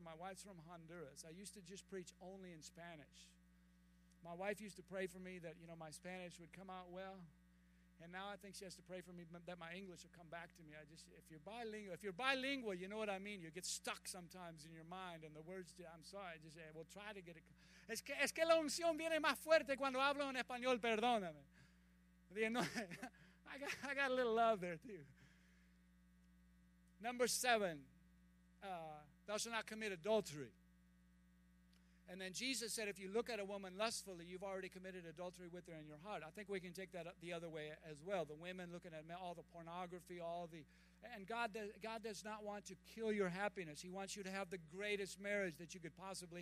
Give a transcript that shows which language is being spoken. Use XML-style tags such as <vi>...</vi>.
<en>My wife's from Honduras. I used to just preach only in Spanish. My wife used to pray for me that, you know, my Spanish would come out well. And now I think she has to pray for me that my English will come back to me. If you're bilingual, you know what I mean. You get stuck sometimes in your mind and the words, I'm sorry, we'll try to get it.</en> <es>Es que la unción viene más fuerte cuando hablo en español, perdóname.</es> <en>I got a little love there too. Number 7, thou shalt not commit adultery. And then Jesus said, if you look at a woman lustfully, you've already committed adultery with her in your heart. I think we can take that the other way as well. The women looking at all the pornography, God does not want to kill your happiness. He wants you to have the greatest marriage that you could possibly.</en>